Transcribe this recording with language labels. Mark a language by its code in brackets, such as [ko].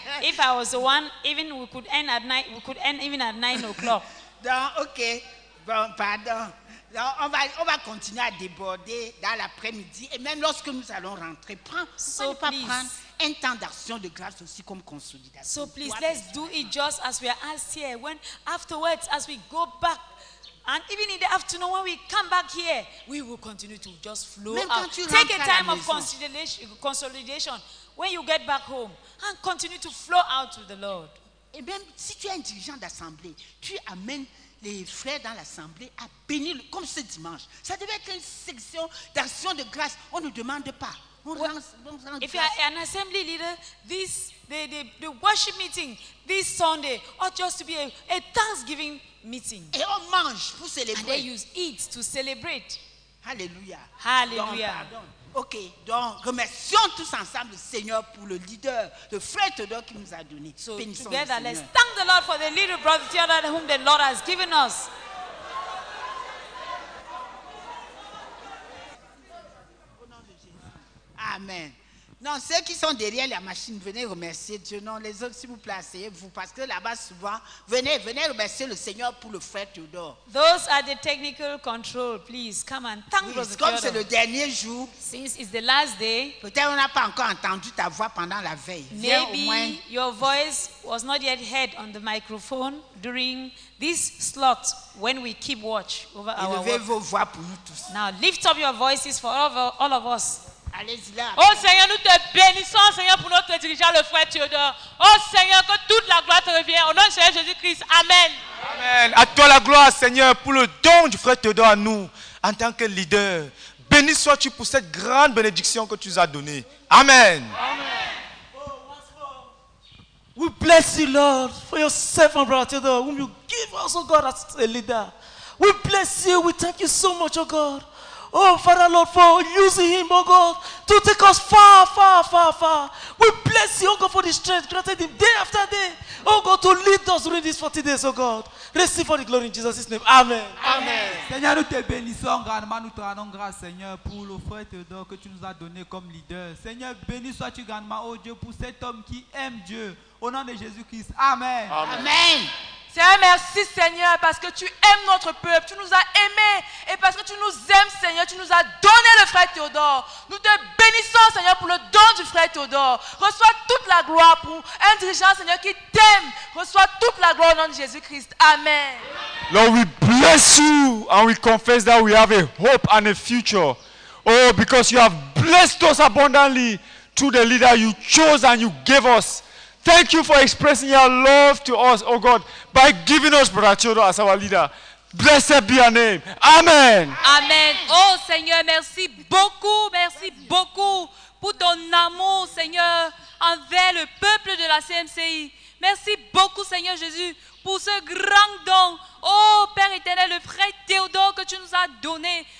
[en] If I was the one, even we could end at night, we could end even at 9 o'clock. [fr] Donc, ok. Bon, pardon. Donc, on va continuer à déborder dans l'après-midi. Et même lorsque nous allons rentrer, prendre un temps d'action de grâce aussi comme consolidation. [en] So please, let's do it just as we are asked here. When afterwards, as we go back. And even in the afternoon, when we come back here, we will continue to just flow out. Take a time of consolidation when you get back home and continue to flow out with the Lord. [fr] Et même si tu es un dirigeant d'assemblée, tu amènes les frères dans l'assemblée à bénir, comme ce dimanche. Ça devait être une section d'action de grâce. On ne demande pas. [en] If you are an assembly leader, this the worship meeting this Sunday ought just to be a Thanksgiving meeting. [fr] Et on mange pour célébrer. [en] And they use eat to celebrate. Hallelujah. Hallelujah. [fr] Ok, donc remercions tous ensemble le Seigneur pour le leader, le frère Théodore qui nous a donné. [en] So bénissons together, let's thank the Lord for the leader, brother Theodore, whom the Lord has given us. Amen. [fr] Non, ceux qui sont derrière la machine, venez remercier Dieu. Non, les autres, s'il vous plaît, asseyez-vous. Parce que là-bas, souvent, venez remercier le Seigneur pour le frère Théodore. [en] Those are the technical control. Please, come and thank the Lord. [fr] Comme c'est le dernier jour. [en] Since it's the last day. [fr] Peut-être on n'a pas encore entendu ta voix pendant la veille. [en] Maybe your voice was not yet heard on the microphone during this slot when we keep watch over our work. [fr] Élevez vos voix pour nous tous. [en] Now, lift up your voices for all of us. [fr] Allez-y là. Oh Seigneur, nous te bénissons, Seigneur, pour notre dirigeant, le frère Théodore. Oh Seigneur, que toute la gloire te revienne. Au nom de Seigneur Jésus-Christ. Amen. Amen. À toi la gloire, Seigneur, pour le don du frère Théodore à nous, en tant que leader. Béni sois-tu pour cette grande bénédiction que tu nous as donnée. Amen. Amen. [en] We bless you, Lord, for your servant, brother Théodore, whom you give us, oh God, as a leader. We bless you. We thank you so much, oh God. Oh, Father, Lord, for using him, oh God, to take us far, far, far, far. We bless you, oh God, for the strength granted him day after day, oh God, to lead us during these 40 days, oh God. Receive all the glory in Jesus' name. Amen. Amen. [fr] Seigneur, nous te bénissons grandement, nous te rendons grâce, Seigneur, pour le frère Théodore que tu nous as donné comme leader. Seigneur, béni sois-tu grandement, oh Dieu, pour cet homme qui aime Dieu. Au nom de Jésus-Christ. Amen. Amen. Amen. Seigneur, merci Seigneur parce que tu aimes notre peuple, tu nous as aimés et parce que tu nous aimes Seigneur, tu nous as donné le frère Théodore. Nous te bénissons Seigneur pour le don du frère Théodore. Reçois toute la gloire pour un dirigeant Seigneur qui t'aime. Reçois toute la gloire au nom de Jésus Christ. Amen. [en] Lord, we bless you and we confess that we have a hope and a future. Oh, because you have blessed us abundantly through the leader you chose and you gave us. Thank you for expressing your love to us, oh God, by giving us Brother Chodo as our leader. Blessed be your name. Amen. Amen. [fr] Oh Seigneur, merci beaucoup pour ton amour, Seigneur, envers le peuple de la CMCI. Merci beaucoup, Seigneur Jésus, pour ce grand don. Oh Père éternel, le frère Théodore que tu nous as donné.